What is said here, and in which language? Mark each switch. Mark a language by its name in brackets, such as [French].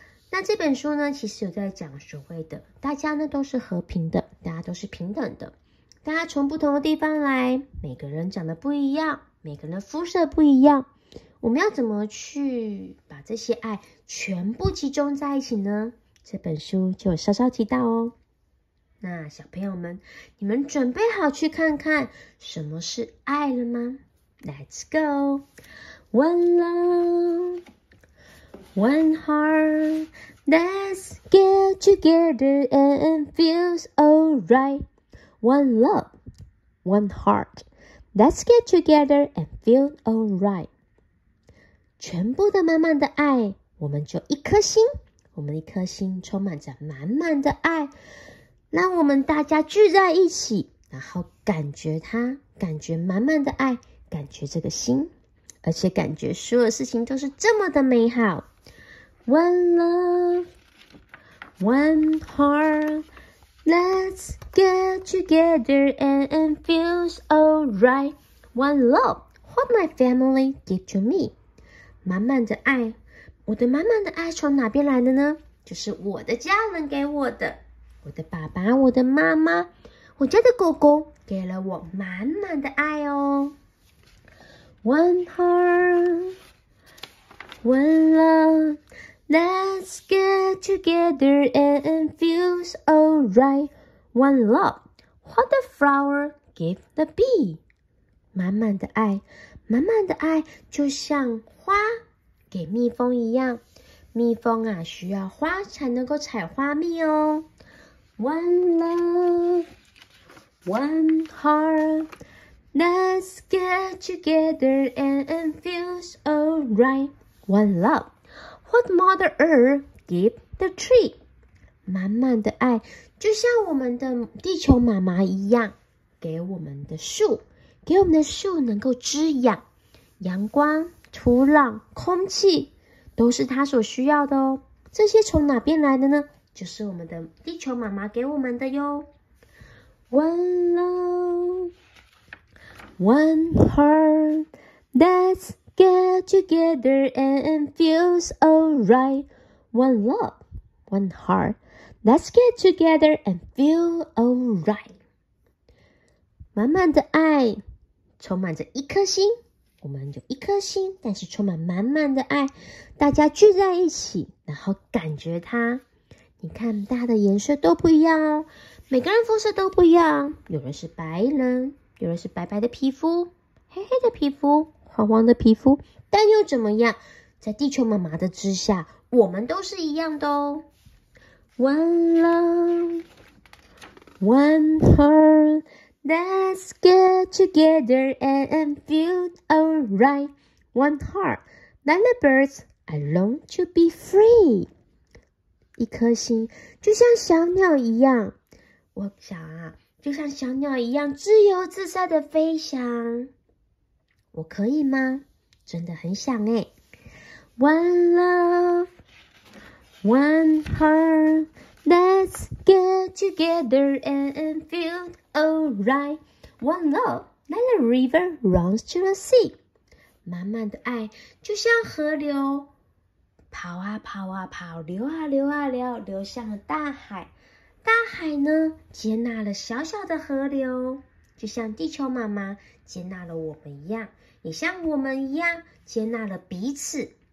[Chinese] 那这本书呢，其实有在讲所谓的大家呢都是和平的，大家都是平等的，大家从不同的地方来，每个人长得不一样，每个人的肤色不一样，我们要怎么去把这些爱全部集中在一起呢？这本书就稍稍提到哦。那小朋友们，你们准备好去看看什么是爱了吗？ [English] Let's go! One love, one heart, let's get together and feels alright. One love, one heart, let's get together and feel alright. [Chinese] 全部的满满的爱，我们就一颗心。我们一颗心充满着满满的爱，让我们大家聚在一起，然后感觉它，感觉满满的爱，感觉这个心，而且感觉所有事情都是这么的美好。 [English] One love, one heart, let's get together and feels alright. One love, what my family give to me. [Chinese] 满满的爱。我的满满的爱从哪边来的呢？就是我的家人给我的，我的爸爸，我的妈妈，我家的狗狗给了我满满的爱哦。 [English] One heart, one love, let's get together and feels alright. One love, what the flower give the bee? [Chinese] 满满的爱，满满的爱就像花。给蜜蜂一样，蜜蜂啊需要花才能够采花蜜哦。 [English] One love, one heart, let's get together and feels alright. One love, what Mother Earth give the tree? [Chinese] 满满的爱，就像我们的地球妈妈一样，给我们的树，给我们的树能够滋养阳光。土壤、空气都是它所需要的哦。这些从哪边来的呢？就是我们的地球妈妈给我们的哟。 [English] One love, one heart, let's get together and feels alright. One love, one heart, let's get together and feel alright. [Chinese] 满满的爱，充满着一颗心。我们有一颗心，但是充满满满的爱，大家聚在一起，然后感觉它。你看，大家的颜色都不一样哦，每个人肤色都不一样，有人是白人，有人是白白的皮肤，黑黑的皮肤，黄黄的皮肤，但又怎么样？在地球妈妈的之下，我们都是一样的哦。 [English] One love, one heart. Let's get together and feel alright. One heart, let the birds I long to be free. [Chinese] 一颗心就像小鸟一样，我想啊，就像小鸟一样自由自在的飞翔。我可以吗？真的很想诶。 [English] One love, one heart. Let's get together and feel. Alright, one love, let the river runs to the sea. [Chinese] 满满的爱就像河流，跑啊跑啊跑，流啊流啊流，流向了大海。大海呢，接纳了小小的河流，就像地球妈妈接纳了我们一样，也像我们一样接纳了彼此。